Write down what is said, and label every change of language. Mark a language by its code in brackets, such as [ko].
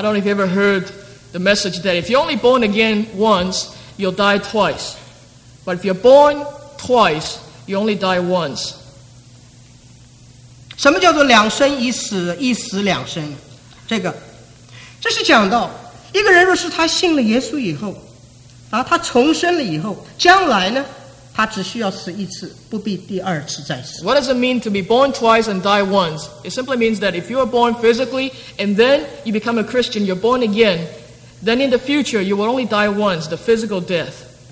[en] I don't know if you ever heard the message that if you're only born again once, you'll die twice. But if you're born twice, you only die once. [zh] 什么叫做两生一死，一死两生？这个，这是讲到一个人若是他信了耶稣以后，啊，他重生了以后，将来呢，他只需要死一次，不必第二次再死。 [en] What does it mean to be born twice and die once? It simply means that if you are born physically and then you become a Christian, you're born again, then in the future you will only die once, the physical death.